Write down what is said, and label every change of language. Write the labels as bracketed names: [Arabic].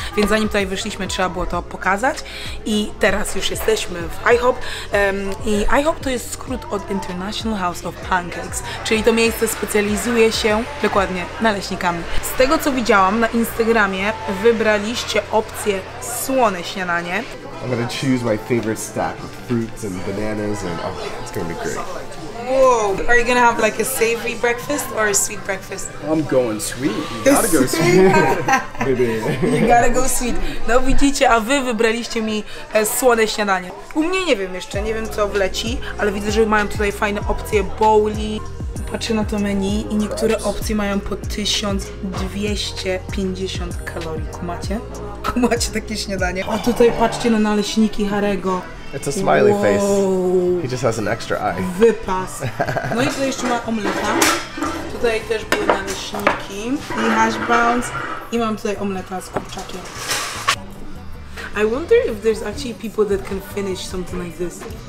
[Polish] Więc zanim tutaj wyszliśmy, trzeba było to pokazać. I teraz już jesteśmy w IHOP. I IHOP to jest skrót od International House of Pancakes, czyli to miejsce specjalizuje się dokładnie naleśnikami. Z tego co widziałam na Instagramie, wybraliście opcję słone śniadanie. [English] I'm gonna choose my favorite stack of fruits and bananas and oh, it's gonna be great. Whoa, are you gonna have like a savory breakfast or a sweet breakfast? I'm going sweet, you gotta go sweet. You gotta go sweet. [Polish] No widzicie, a wy wybraliście mi słone śniadanie. U mnie nie wiem jeszcze, nie wiem co wleci, ale widzę, że mają tutaj fajne opcje, bowli. Patrzę na to menu i niektóre opcje mają po 1250 kalorii. Kumacie? Kumacie takie śniadanie? A tutaj patrzcie na naleśniki Harry'ego. [English] It's a smiley face. He just has an extra eye. [Polish] Wypas. No i tutaj jeszcze ma omleta. Tutaj też były naleśniki i hash browns. I mam tutaj omleta z kurczakiem. [English] I wonder if there's actually people that can finish something like this.